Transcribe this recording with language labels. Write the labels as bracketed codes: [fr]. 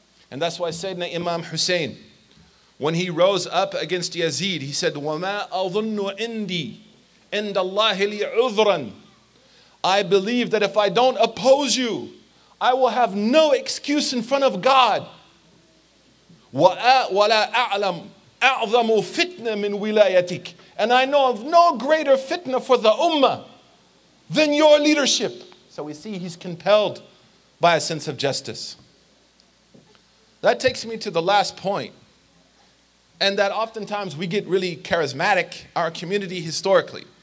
[en] And that's why Sayyidina Imam Hussein, when he rose up against Yazid, he said, [ar] وما أظن عندي عند الله لي عذرا. [en] I believe that if I don't oppose you, I will have no excuse in front of God. [ar] ولا أعلم أعظم فتنة من ولايتك. [en] And I know of no greater fitna for the ummah than your leadership. So we see he's compelled by a sense of justice. That takes me to the last point. And that oftentimes we get really charismatic, our community historically.